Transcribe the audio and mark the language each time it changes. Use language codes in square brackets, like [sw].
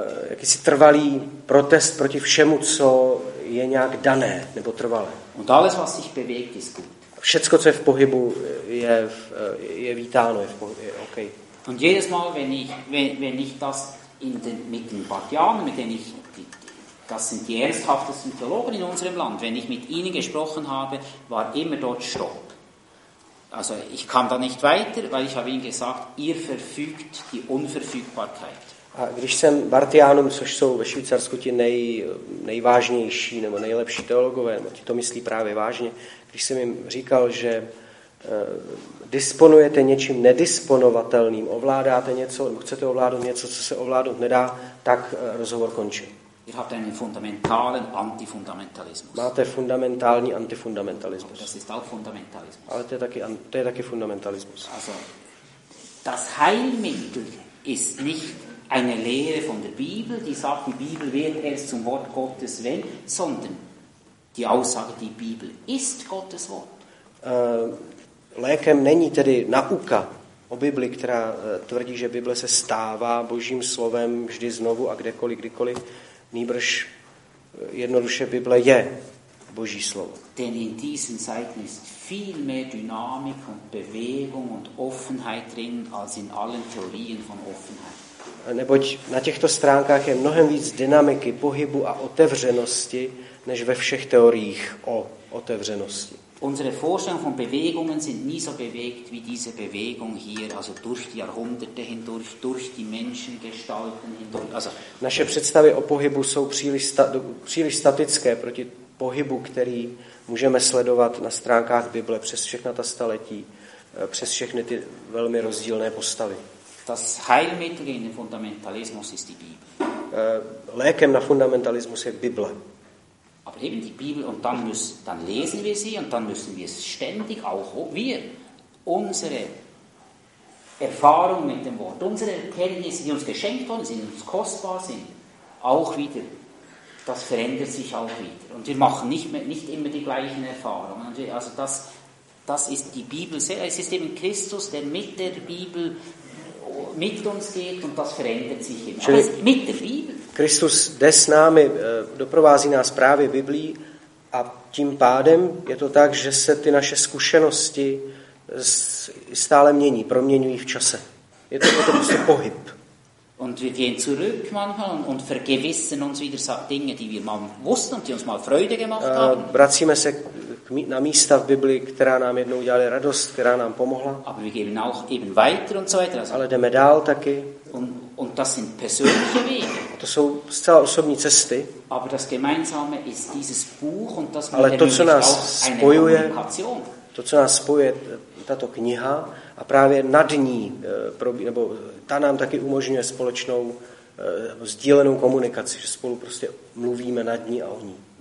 [cs] Jakýsi trvalý protest proti všemu, co je nějak dané, nebo trvalé. [de] Und alles, was sich bewegt, ist gut. [cs] Všecko, co je v pohybu, je vítáno, je OK. [de] Und jedes Mal, wenn ich das mit den Bartianern, mit denen ich, das sind die ernsthaftesten Theologen in unserem Land, wenn ich mit ihnen gesprochen habe, war immer dort Stopp. Also ich kam da nicht weiter, weil ich habe ihnen gesagt, ihr verfügt die Unverfügbarkeit. [cs] A když jsem Bartianům, což jsou ve Švýcarsku ti nejvážnější nebo nejlepší teologové, nebo ti to myslí právě vážně, když jsem jim říkal, že disponujete něčím nedisponovatelným, ovládáte něco, chcete ovládat něco, co se ovládat nedá, tak rozhovor končí. [de] Ihr habt einen fundamentalen Antifundamentalismus. [cs] Máte fundamentální antifundamentalismus. [de] Das ist auch Fundamentalismus. [cs] Ale to je taky fundamentalismus. [de] Also, das Heilmittel ist nicht eine Lehre von der Bibel, die sagt, die Bibel wird erst zum Wort Gottes, wenn, sondern die Aussage, die Bibel ist Gottes Wort. [cs] Lékem není tedy nauka o Bibli, která tvrdí, že Bible se stává Božím slovem vždy znovu a kdekoliv, kdykoliv. Nýbrž jednoduše Bible je Boží slovo. [de] Denn in diesen Zeiten ist viel mehr Dynamik und Bewegung und Offenheit drin als in allen Theorien von Offenheit. [cs] Neboť na těchto stránkách je mnohem víc dynamiky, pohybu a otevřenosti, než ve všech teoriích o otevřenosti. [de] Unsere Vorstellungen von Bewegungen sind nie so bewegt wie diese Bewegung hier, also durch die Jahrhunderte hindurch, durch die Menschengestalten hindurch. Also [cs] naše představy o pohybu jsou příliš statické proti pohybu, který můžeme sledovat na stránkách Bible přes všechna ta staletí, přes všechny ty velmi rozdílné postavy. [de] Das Heilmittel gegen den Fundamentalismus ist die Bibel. [cs] Lékem na fundamentalismus je Bible. [de] Aber eben die Bibel und dann lesen wir sie und dann müssen wir es ständig auch wir unsere Erfahrung mit dem Wort, unsere Erkenntnisse, die uns geschenkt worden sind, uns kostbar sind, auch wieder, das verändert sich auch wieder. Und wir machen nicht immer die gleichen Erfahrungen. Also das ist die Bibel, es ist eben Christus, der mit der Bibel mit uns geht und das verändert sich immer. Aber es, mit der Bibel. [cs] Kristus jde s námi, doprovází nás právě Biblí a tím pádem je to tak, že se ty naše zkušenosti stále mění, proměňují v čase. Je to prostě pohyb. [de] Und wir gehen zurück manchmal und vergewissern uns wieder Dinge, die wir mal wussten und die uns mal Freude gemacht haben. [cs] Vracíme se na místa v Biblii, která nám jednou dělala radost, která nám pomohla. [de] Aber wir gehen auch eben weiter und so weiter. Also, [cs] ale jdeme dál taky. [de] Und das sind persönliche Wege. [cs] To jsou zcela osobní cesty. [de] Aber das gemeinsame ist dieses Buch und das [cs] ale to, co nás spojuje, to, co nás spojuje, tato kniha a právě nad ní nebo ta nám taky umožňuje společnou sdílenou komunikaci, že spolu prostě mluvíme nad ní a o ní.